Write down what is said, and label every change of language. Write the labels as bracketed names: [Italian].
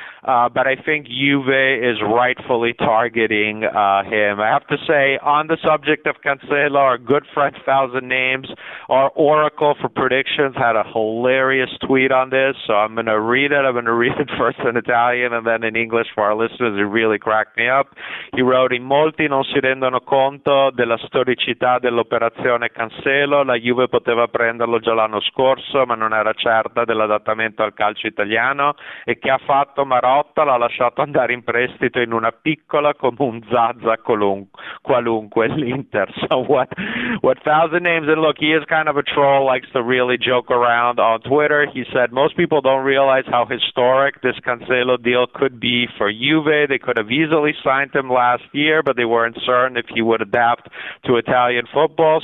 [English] But I think Juve is rightfully targeting him. I have to say, on the subject of Cancelo, our good friend Thousand Names, our Oracle for Predictions, had a hilarious tweet on this. So I'm going to read it. I'm going to read it first in Italian and then in English for our listeners. It really cracked me up. [Italian] He wrote, "In molti non si rendono conto della storicità dell'operazione Cancelo. La Juve poteva prenderlo già l'anno scorso, ma non era certa dell'adattamento al calcio italiano. E che ha fatto? Marotta l'ha lasciato andare in prestito in una piccola come un Zaza qualunque l'Inter." [English] So what Thousand Names, and look, he is kind of a troll, likes to really joke around on Twitter. He said, "Most people don't realize how historic this Cancelo deal could be for Juve. They could have easily signed him last year, but they weren't certain if he would adapt to Italian football.